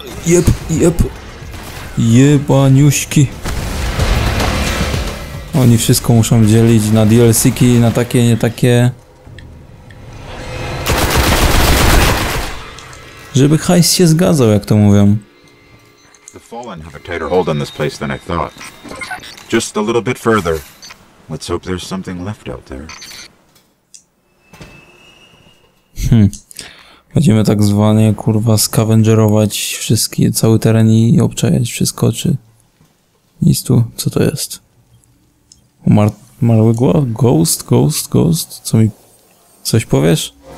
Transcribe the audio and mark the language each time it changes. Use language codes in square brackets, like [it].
[pl] Jeb! Jebaniuśki! Oni wszystko muszą dzielić na DLC-ki, na takie, nie takie. Żeby hajs się zgadzał, jak to mówią. [en] The fallen have a tighter hold on this place than I thought. Just a little bit further. Let's hope there's something left out there. [pl] Będziemy tak zwanie, kurwa, scavengerować wszystkie, cały teren i obczajać wszystko, czy nic tu, co to jest? Umarły głos? Ghost? Co mi... Coś powiesz?